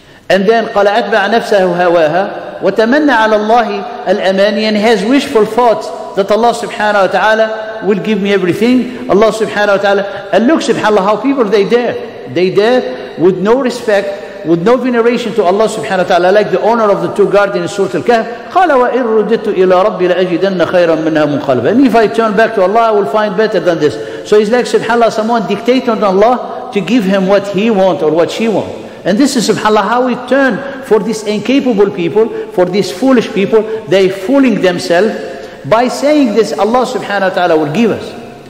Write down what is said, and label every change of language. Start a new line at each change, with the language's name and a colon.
English: And then
Arabic: قال أتبع نفسه هواها وتمنى على الله الأماني,
English: and has wishful thoughts that Allah subhanahu wa ta'ala will give me everything. Allah subhanahu wa ta'ala, and look subhanAllah how people they dare with no respect, with no veneration to Allah subhanahu wa ta'ala, like the owner of the two guardians in Surah Al-Kahf.
Arabic: قال وإن رددت إلى ربي لأجدن خيرا منها منقلبا.
English: And if I turn back to Allah, I will find better than this. So it's like subhanAllah, someone dictated on Allah to give him what he wants or what she wants. And this is subhanAllah how it turned for these incapable people, for these foolish people. They fooling themselves by saying this, Allah subhanahu wa ta'ala will give us.